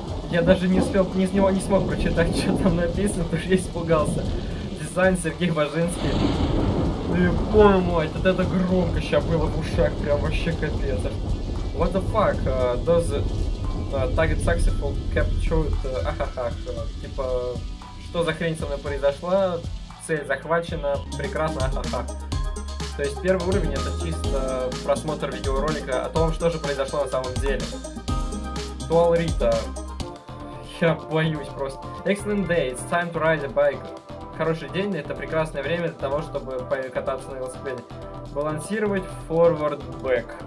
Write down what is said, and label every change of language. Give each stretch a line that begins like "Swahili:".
Russian: Я даже не успел, не смог прочитать, что там написано, потому что я испугался. Дизайн Сергей Важинский. И, ой, мой, вот это громко сейчас было в ушах, прям вообще капец.
English: What the fuck? Does target successful capture...
Russian: типа, что за хрень со мной произошла? Цель захвачена. Прекрасно, То есть первый уровень это чисто просмотр видеоролика о том, что же произошло на самом деле. Туал Рита. Я боюсь просто.
English: Excellent day, it's time to ride a bike.
Russian: Хороший день, это прекрасное время для того, чтобы кататься на велосипеде. Балансировать
English: forward back.